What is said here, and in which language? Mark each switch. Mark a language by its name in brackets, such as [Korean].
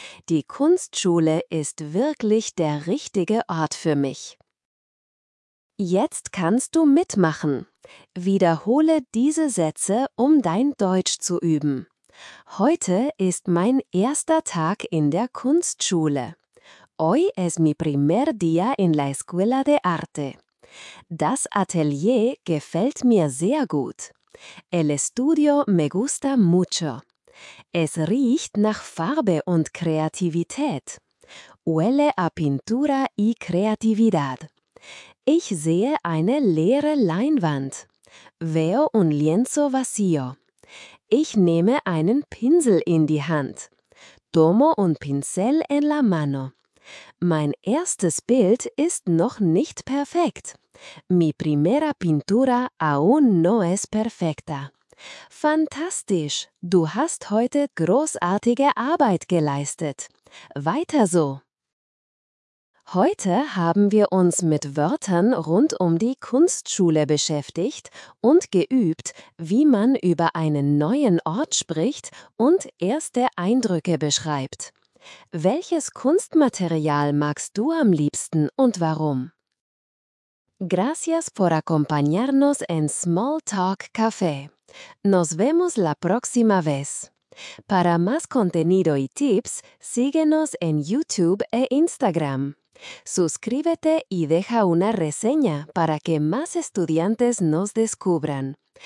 [German] Die Kunstschule ist wirklich der richtige Ort für mich. Jetzt kannst du mitmachen. Wiederhole diese Sätze, um dein Deutsch zu üben. Heute ist mein erster Tag in der Kunstschule. [Spanish] Hoy es mi primer día en la escuela de arte. [German] Das Atelier gefällt mir sehr gut. [Spanish] El estudio me gusta mucho. [German] Es riecht nach Farbe und Kreativität. [Spanish] Huele a pintura y creatividad. [German] Ich sehe eine leere Leinwand. [Spanish] Veo un lienzo vacío. [German] Ich nehme einen Pinsel in die Hand. [Spanish] Tomo un pincel en la mano. [German] Mein erstes Bild ist noch nicht perfekt. [Spanish] Mi primera pintura aún no es perfecta. [German] Fantastisch! Du hast heute großartige Arbeit geleistet. Weiter so! Heute haben wir uns mit Wörtern rund um die Kunstschule beschäftigt und geübt, wie man über einen neuen Ort spricht und erste Eindrücke beschreibt. Welches Kunstmaterial magst du am liebsten und warum? [Spanish] Gracias por acompañarnos en Small Talk Café. Nos vemos la próxima vez. Para más contenido y tips, síguenos en YouTube e Instagram. Suscríbete y deja una reseña para que más estudiantes nos descubran.